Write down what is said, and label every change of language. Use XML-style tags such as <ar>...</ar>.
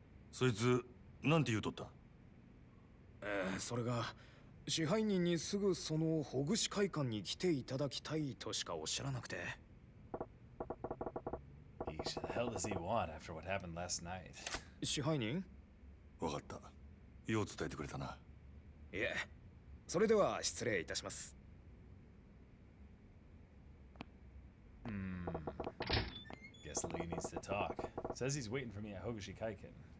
<ja>そいつ なんて言うとった? それが支配人にすぐそのほぐし会館に来ていただきたいとしかおっしゃらなくて。</ja> <en>What the hell does he want after what happened last night?</en> <ja>支配人? わかった。よう伝えてくれたな。いえ、それでは失礼いたします。</ja> <en>Guess Lee needs to talk. Says he's waiting for me at Hogashi Kaiken.</en>